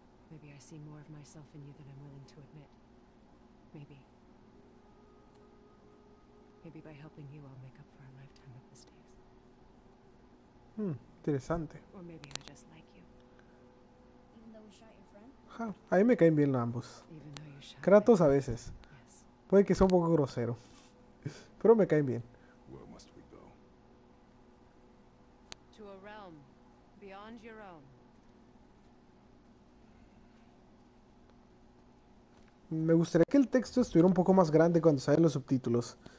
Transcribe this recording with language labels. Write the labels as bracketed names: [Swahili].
[English] Maybe I see more of myself in you than I'm willing to admit. Maybe. Maybe by helping you, I'll make up for a lifetime of mistakes. [Spanish] Interesante. [English] Or maybe I just like you. Even though we shot your friend? [Spanish] Ja, a mí me caen bien ambos. Kratos a veces. [English] Yes. [Spanish] Puede que sea un poco grosero. Pero me caen bien. [English] Where must we go? To a realm beyond your own. [Spanish] Me gustaría que el texto estuviera un poco más grande cuando salen los subtítulos.